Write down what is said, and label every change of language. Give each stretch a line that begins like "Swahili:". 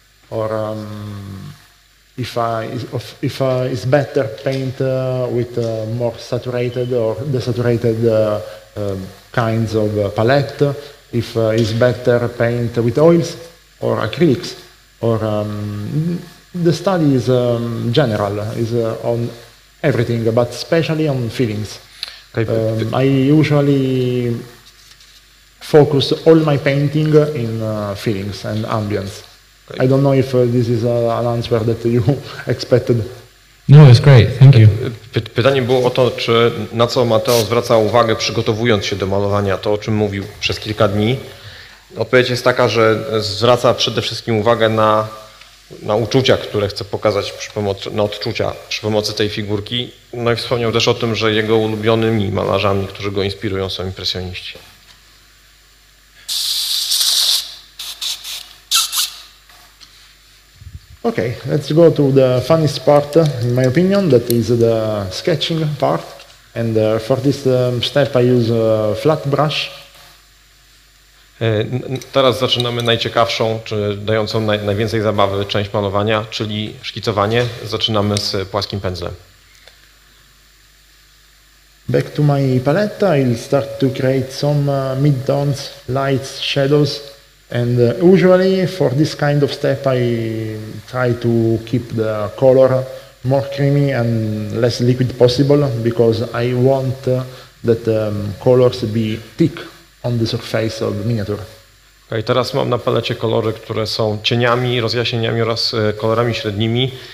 English: Or if it's better paint with more saturated or desaturated kinds of palette, if it's better paint with oils or acrylics, or the study is general, is on everything, but especially on feelings. I usually focus all my painting in feelings and ambience. I don't know if this is an answer that you expected. No, it's great. Thank you.
Polish: Pytanie było o to, czy na co Mateo zwraca uwagę, przygotowując się do malowania, to o czym mówił przez kilka dni. Odpowiedź jest taka, że zwraca przede wszystkim uwagę na uczucia, które chce pokazać przy pomocy, na odczucia przy pomocy tej figurki. No i wspomniał też o tym, że jego ulubionymi malarzami, którzy go inspirują, są impresjoniści.
English: Okay, let's go to the funniest part, in my opinion, that is the sketching part. And for this step I use a flat brush.
Polish: Teraz zaczynamy najciekawszą, czy dającą najwięcej zabawy część malowania, czyli szkicowanie. Zaczynamy z płaskim pędzlem.
English: Back to my palette, I'll start to create some mid-tones, lights, shadows. And usually for this kind of step I try to keep the color more creamy and less liquid possible because I want that colors be thick on the surface of the miniature.
Polish: Okay, teraz mam na palecie kolory, które są cieniami, rozjaśnieniami oraz kolorami średnimi.